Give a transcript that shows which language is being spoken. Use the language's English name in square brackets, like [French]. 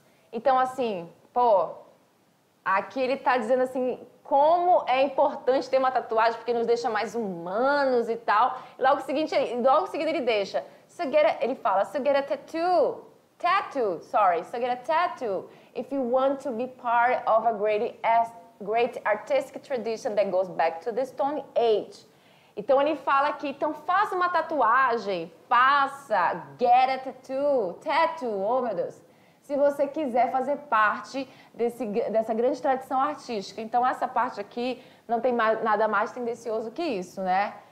[Portuguese] Então, assim, pô, aqui ele está dizendo assim, como é importante ter uma tatuagem porque nos deixa mais humanos e tal. E logo seguinte ele deixa. [English] So get a tattoo if you want to be part of a great artistic tradition that goes back to the Stone Age. [Portuguese] Então ele fala aqui, então faça uma tatuagem, faça, [English] get a tattoo, [Portuguese] oh meu Deus, se você quiser fazer parte dessa grande tradição artística. Então essa parte aqui não tem nada mais tendencioso que isso, né?